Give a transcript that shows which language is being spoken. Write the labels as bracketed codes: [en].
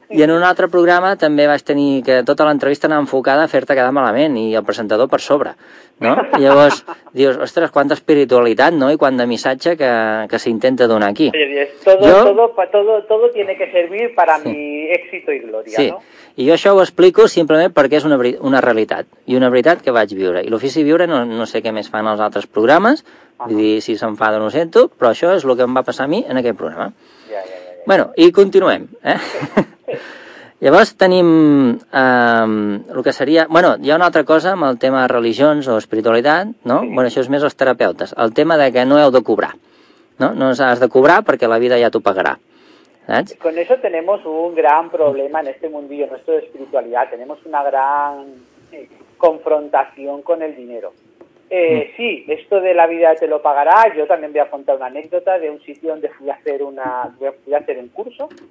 [ca] I en un altre programa també vaig tenir que tota l'entrevista anava enfocada a fer-te quedar malament i el presentador per sobre, no? I llavors dius, ostres, quanta espiritualitat, no?, i quant de missatge que s'intenta donar aquí. [es] Todo tiene que servir para mi éxito y gloria, sí, no? [ca] Sí, i jo això ho explico simplement perquè és una realitat i una veritat que vaig viure. I l'ofici viure no sé què més fan els altres programes, vull dir, si s'enfaden ho sento, però això és el que em va passar a mi en aquest programa. Ja. Bueno, i continuem, eh? Llavors tenim el que seria... Bueno, hi ha una altra cosa amb el tema de religions o espiritualitat, no? Sí. Bueno, això és més els terapeutes. El tema de que no heu de cobrar, no? No has de cobrar perquè la vida ja t'ho pagarà, saps? [es] Con eso tenemos un gran problema en este mundillo nuestro de espiritualidad. Tenemos una gran confrontación con el dinero. Sí, esto de la vida te lo pagará. Yo también voy a contar una anécdota de un sitio donde fui a hacer un curso.